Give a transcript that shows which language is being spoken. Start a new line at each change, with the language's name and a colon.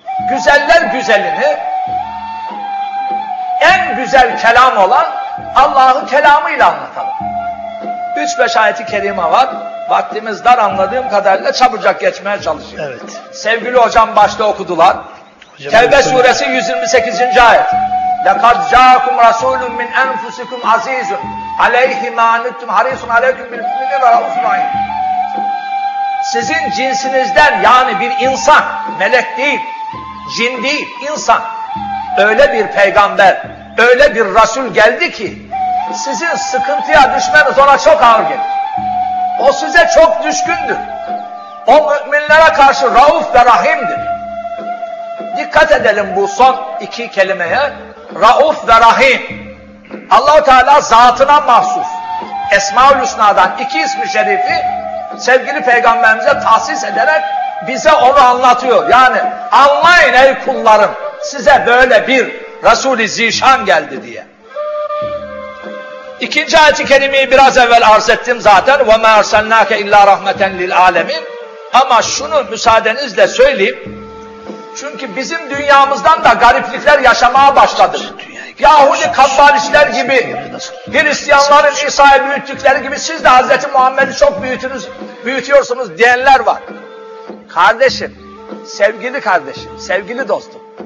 Turkish: Güzeller güzelini, en güzel kelam olan Allah'ın kelamıyla anlatalım. 3-5 ayeti kerime var. Vaktimiz dar anladığım kadarıyla çabucak geçmeye çalışıyorum. Evet. Sevgili hocam başta okudular. Tevbe suresi 128. ayet.
Arabic: لَقَدْ جَاءَكُمْ رَسُولٌ مِّنْ اَنْفُسِكُمْ عَز۪يزٌ عَلَيْهِ مَا عَنِتُّمْ حَرِيصٌ عَلَيْكُمْ بِالْمُؤْمِنِينَ وَرَءُوفٌ رَحِيمٌ
Turkish: Sizin cinsinizden yani bir insan, melek değil, cin değil, insan. Öyle bir peygamber, öyle bir Resul geldi ki sizin sıkıntıya düşmeniz ona çok ağır gelir. O size çok düşkündür. O müminlere karşı rauf ve rahimdir. Dikkat edelim bu son iki kelimeye. Rauf ve rahim. Allah-u Teala zatına mahsus. Esma-ül Hüsna'dan iki ismi şerifi sevgili peygamberimize tahsis ederek bize onu anlatıyor. Yani anlayın ey kullarım, size böyle bir Resul-i Zişan geldi diye. İkinci ayet-i kerimeyi biraz evvel arz ettim zaten.
Arabic: وَمَا اَرْسَلْنَاكَ اِلَّا رَحْمَةً لِلْعَالَمِينَ
Turkish: Ama şunu müsaadenizle söyleyeyim. Çünkü bizim dünyamızdan da gariplikler yaşamaya başladık. Yahudi kabbalistler gibi, Hristiyanların İsa'yı büyüttükleri gibi siz de Hazreti Muhammed'i çok büyütünüz, büyütüyorsunuz diyenler var. Kardeşim, sevgili kardeşim, sevgili dostum.